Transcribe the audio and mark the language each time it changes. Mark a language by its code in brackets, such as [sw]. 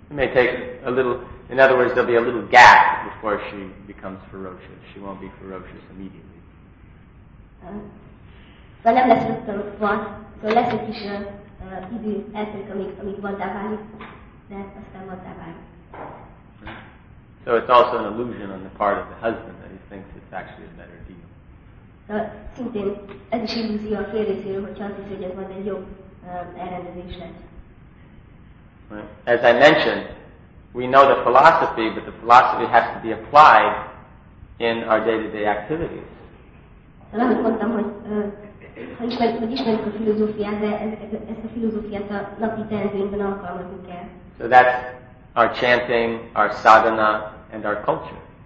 [en] It may take a little, in other words, there'll be a little gap before she becomes ferocious. She won't be ferocious immediately. [hu] Szóval nem lesz rögtön van, szóval lesz egy kis idő eltelik, amíg vaddá válik, de aztán vaddá válik. [en] So it's also an illusion on the part of the husband that he thinks it's actually a better deal. [hu] So, szintén ez is illúzió a fél részéről, hogy azt hiszi, hogy ez majd egy jobb elrendezés lesz. [en] As I mentioned, we know the philosophy, but the philosophy has to be applied in our day-to-day activities. So that's our chanting, our sadhana, and our culture.